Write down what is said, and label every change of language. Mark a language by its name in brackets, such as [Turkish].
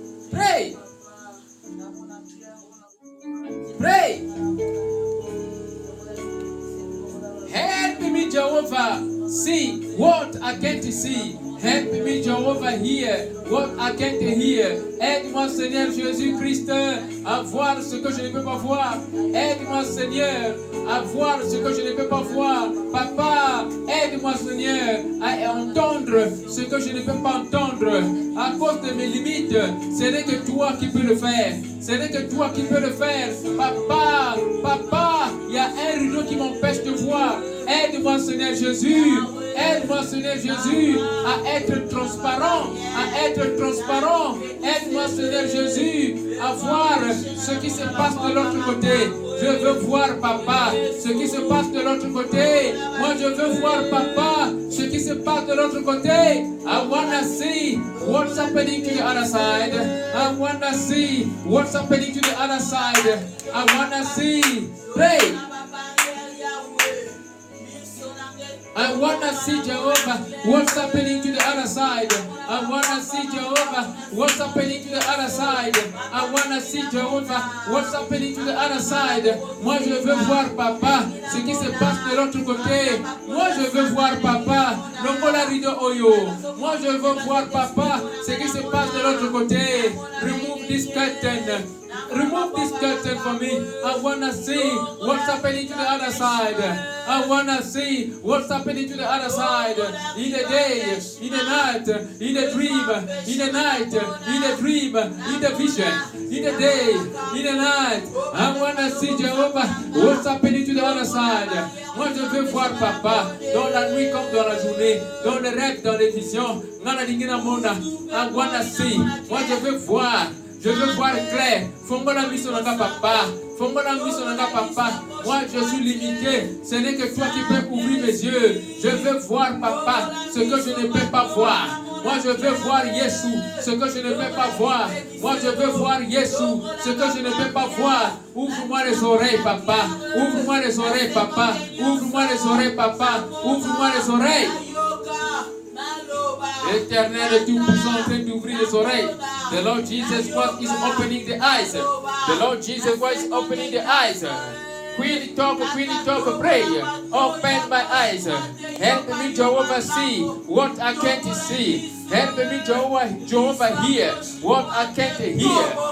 [English] Pray. Pray. Help me, Jehovah, see what I can't see. Help me, Jehovah, hear what I can't hear. [French] Aide-moi, Seigneur Jésus-Christ, à voir ce que je ne peux pas voir. Aide-moi, Seigneur, à voir ce que je ne peux pas voir. Papa, aide-moi, Seigneur, à entendre ce que je ne peux pas entendre. À cause de mes limites, ce n'est que toi qui peux le faire. Ce n'est que toi qui peux le faire. Papa, papa, il y a un rideau qui m'empêche de voir. Aide-moi, Seigneur Jésus. Aide-moi, Seigneur Jésus, à être transparent, à être transparent. Aide-moi, Seigneur Jésus, à voir ce qui se passe de l'autre côté. Je veux voir, papa, ce qui se passe de l'autre côté. Moi, je veux voir, papa, ce qui se passe de l'autre côté. [English] I wanna see what's happening to the other side. I wanna see what's happening to the other side. I wanna see. Pray. I wanna see, Jehovah, what's happening to the other side. I wanna see, Jehovah, what's happening to the other side. I wanna see, Jehovah, what's happening to the other side. [French] Moi, je veux voir, papa, ce qui se passe de l'autre côté. Moi, je veux voir, papa, le polarido oyo. Moi, je veux voir, papa, ce qui se passe de l'autre côté. [English] Remove this curtain. Remove this curtain for me. I wanna see what's happening to the other side. I wanna see what's happening to the other side. In the day, in the night, in the dream, in the night, in the dream, in the vision, in the day, in the night. I wanna see, Jehovah, what's happening to the other side. [French] Moi, je veux voir, papa, dans la nuit comme dans la journée, dans les rêves, dans les visions. [English] I wanna see. [French] Moi, je veux voir. Je veux voir clair. Fais-moi la mission dans ta papa. Fais-moi la mission dans ta papa. Moi, je suis limité. Ce n'est que toi qui peux ouvrir mes yeux. Je veux voir, papa, ce que je ne peux pas voir. Moi, je veux voir, Yesu, ce que je ne peux pas voir. Moi, je veux voir, Yesu, ce que je ne peux pas voir. Ouvre-moi les oreilles, papa. Ouvre-moi les oreilles, papa. Ouvre-moi les oreilles, papa. Ouvre-moi les oreilles. Éternel et Tout-Puissant en train d'ouvrir les oreilles. [English] The Lord Jesus Christ is opening the eyes. The Lord Jesus Christ is opening the eyes. Queen talk, pray. Open my eyes. Help me, Jehovah, see what I can't see. Help me, Jehovah, hear what I can't hear.